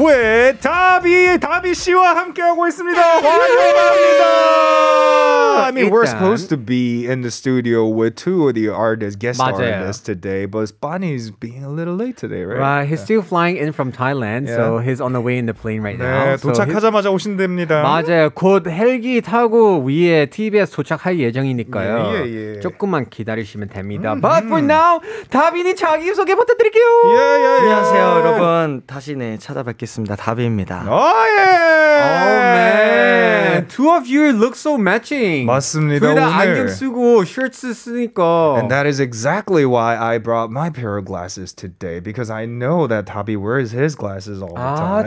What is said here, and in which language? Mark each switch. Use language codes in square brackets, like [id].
[en] with Davii! [ko] Davii 씨와 함께하고 있습니다! 환영합니다! [en] I mean, we're supposed to be in the studio with two of the artists, guest artists today, but Bunny's being a little late today, right? Right, he's still flying in from Thailand, so he's on the way in the plane right now. [ko] 네, 도착하자마자 오신 됩니다. 맞아요, 곧 헬기 타고 위에 TBS 도착할 예정이니까요. 조금만 기다리시면 됩니다. [en] But for now, [ko] 다비님 자기소개 부탁드릴게요. 안녕하세요, 여러분. 다시 찾아뵙겠습니다. 다비입니다. [en] Oh, man. Two of you look so matching. [ko] 맞습니다. 둘 다 안경 쓰고 셔츠 쓰니까. [en] And that is exactly why I brought my pair of glasses today because I know that Tabi wears his glasses all the time.